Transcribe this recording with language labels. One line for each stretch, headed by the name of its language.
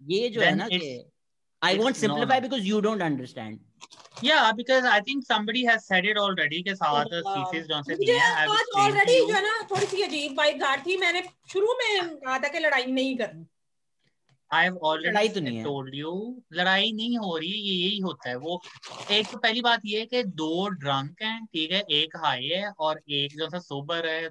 Hindi: ये जो है ना कि
English: I won't simplify because you don't understand. Yeah, because I think somebody has said it already.
Hindi: के साथ thesis जो से दिया है. मुझे आज already जो है ना थोड़ी सी अजीब वाइब गार थी. मैंने शुरू में कहा था कि लड़ाई नहीं करनी.
English: I have already told you
Hindi: लड़ाई नहीं हो रही है. ये यही होता है. वो एक तो पहली बात ये है कि दो drunk हैं, ठीक है, एक high है और एक जो सा sober है.